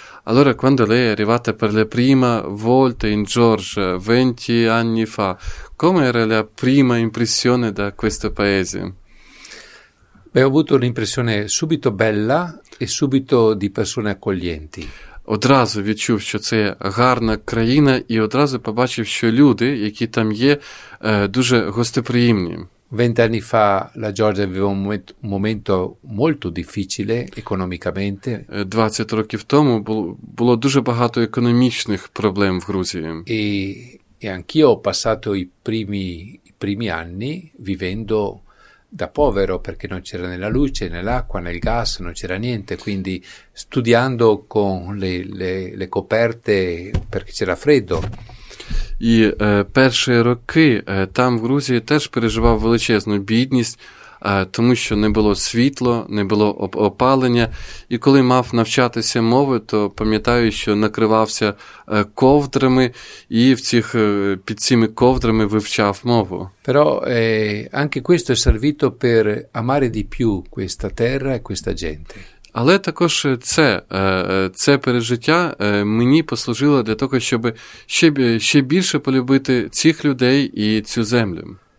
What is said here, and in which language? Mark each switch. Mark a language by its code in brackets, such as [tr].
[it] Allora, quando lei è arrivata per la prima volta in Georgia, 20 anni fa, come era la prima impressione da questo paese? Beh, ho avuto un'impressione subito bella e subito di persone accoglienti. [uk] Одразу відчув, що це гарна країна, і одразу побачив, що люди, які там є, дуже гостеприємні. [it] 20 anni fa la Georgia aveva un momento molto difficile economicamente. [uk] 20 років тому було дуже багато економічних проблем в Грузії. [it] E anch'io ho passato i primi anni vivendo da povero, perché non c'era né la luce, né l'acqua, né il gas, non c'era niente, quindi studiando con le coperte perché c'era freddo. [uk] І перші роки там в Грузії теж переживав величезну бідність, тому що не було світло, не було опалення. І коли мав навчатися мови, то пам'ятаю, що накривався ковдрами і в цих, під цими ковдрами вивчав мову. [it] Però anche questo è servito per amare di più questa terra e questa gente. [uk] Але також це пережиття мені послужило для того, щоб ще більше полюбити цих людей і цю землю.